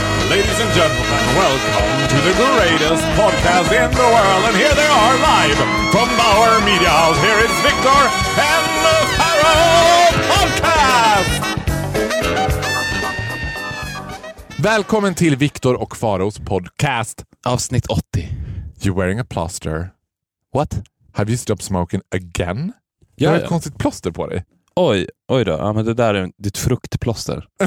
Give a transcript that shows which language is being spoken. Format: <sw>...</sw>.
<en>Ladies and gentlemen, welcome to the greatest podcast in the world. And here they are live from Bauer Media House. Here is Victor and the Harold Podcast!</en> <sv>Välkommen till Victor och Faros podcast. Avsnitt 80.</sv> <en>You're wearing a plaster. What? Have you stopped smoking again?</en> <sv>Ja, du har ett konstigt plåster på dig. Oj, oj då. Ja, men det där är ditt fruktplåster.</sv>